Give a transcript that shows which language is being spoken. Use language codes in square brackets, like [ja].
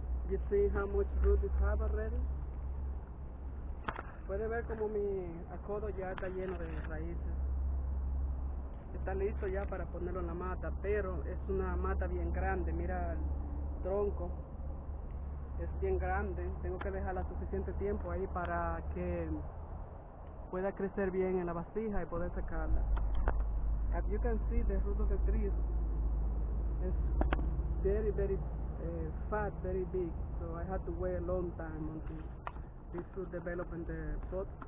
[en] You see how much root it has already? [es] Puede ver como mi acodo ya está lleno de raíces. Está listo ya para ponerlo en la mata, pero es una mata bien grande. Mira el tronco. Es bien grande. Tengo que dejarla suficiente tiempo ahí para que pueda crecer bien en la vasija y poder sacarla. [en] As you can see, the root of the tree is very, very fat, very big. So I had to wait a long time until this fruit developed in the pot.